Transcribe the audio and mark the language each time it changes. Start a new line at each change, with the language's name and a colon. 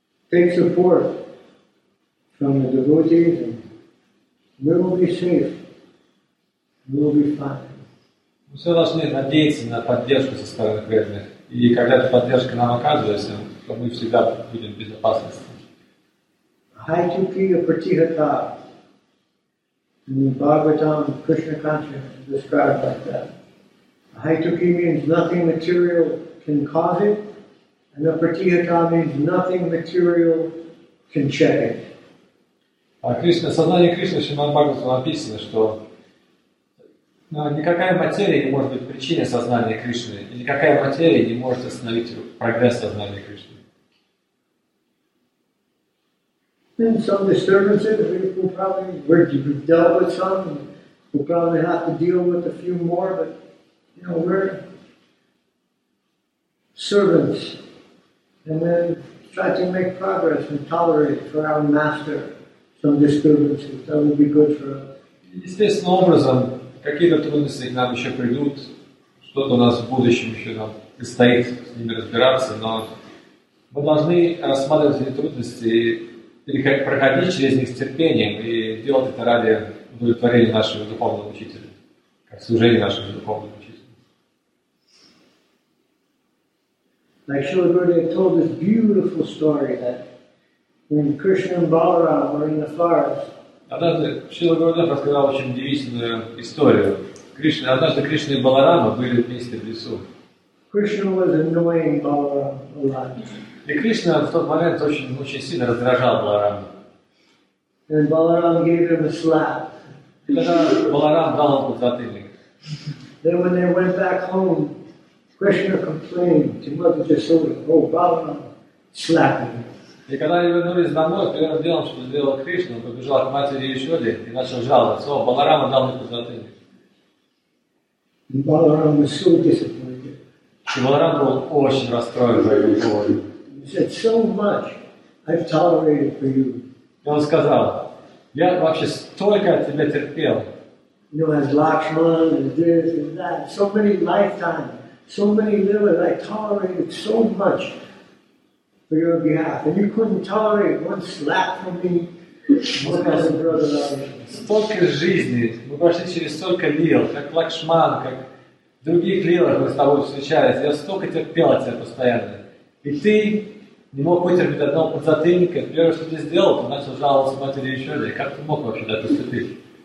English: From the devotees, and we will be safe. We will be fine.
Russian: Мы все должны надеяться на поддержку со стороны преданных. И когда эта поддержка нам оказывается, то мы всегда будем в безопасности. Хайтуки и Патихата.
English: In the Bhagavatam, Krishna consciousness described like that. Хайтуки means nothing material can cause it, and the Патихата means nothing material can check it.
Russian: А Кришна, сознание Кришны в Шримад Бхагаватам написано, что никакая материя не может быть причиной сознания Кришны, и никакая материя не может остановить прогресс сознания Кришны.
English: And some disturbances we'll probably have to deal with a few more, but you know, we're servants, and then try to make progress and tolerate for our master. Some disturbances that would be good for us.
Russian: Естественным образом, какие-то трудности к нам еще придут, что-то у нас в будущем еще нам предстоит с ними разбираться, но мы должны рассматривать эти трудности и проходить через них с терпением и делать это ради удовлетворения нашего духовного учителя, как служение нашего духовного учителя.
English: Like Srila Gurudev told this beautiful story that when Krishna and Balaram were in the forest.
Russian: Однажды Шрила Гурудев рассказал очень удивительную историю. Кришна, однажды Кришна и Баларама были вместе в лесу.
English: Krishna was annoying Balaram a lot.
Russian: И Кришна в тот момент очень сильно раздражал Баларама.
English: And Balaram gave him a slap.
Russian: Баларам дал ему затыльник.
English: Then when they went back home, Krishna complained to Mother Yashoda, "Oh, Balaram slapped him."
Russian: И когда они вернулись домой, первым делом, что сделал Кришна, он побежал к матери Яшоде и начал жаловаться. О, Баларама дал мне подзатыльник. И Баларам был
English: so disappointed.
Russian: И Баларам был очень расстроен за его поводу.
English: He said, so much I've tolerated for you.
Russian: И он сказал, я вообще столько от тебя терпел.
English: You know, as Lakshman, as this, as that, so many lifetimes, so many lives, I tolerated so much. For your behalf, and you couldn't tolerate one slap from me.
Russian: Столько жизни, мы прошли через столько лил, как Лакшман, как в других лилах мы с тобой встречались. Я столько терпел от тебя постоянно. И ты не мог вытерпеть одного подзатыльника. Первое, что ты сделал, ты начал жаловаться матери еще раз. Как ты мог вообще так поступить?